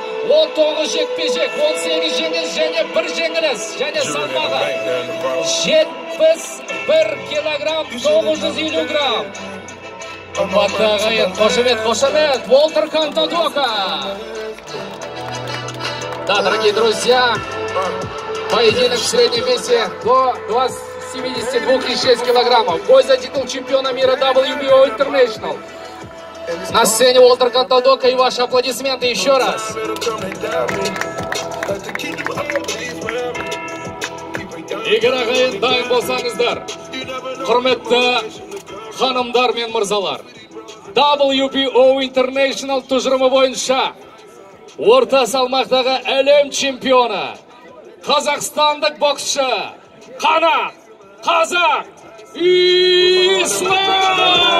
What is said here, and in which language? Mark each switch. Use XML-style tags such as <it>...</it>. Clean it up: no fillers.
<kk>19 жекпе-жек, 18 жеңіс және 1 жеңіліс және салмағы 71 килограмм 950 грамм. Қымбатты ағайын, қошемет, қошемет, Уолтер Каутон Доко.</kk> <ru>Да, дорогие друзья, поединок в среднем весе до 72,6 килограммов. Бой за титул чемпиона мира WBO International. На сцене Уолтер Каутон Доко, и ваши аплодисменты еще раз.</ru> <kk>Игер ағайын, дайын болсаңыздар. Құрметті ханымдар мен мырзалар. WBO International тұжырымы бойынша орта салмақтағы әлем чемпионы, қазақстандық боксшы, қанат қазақ Исмаил!</kk>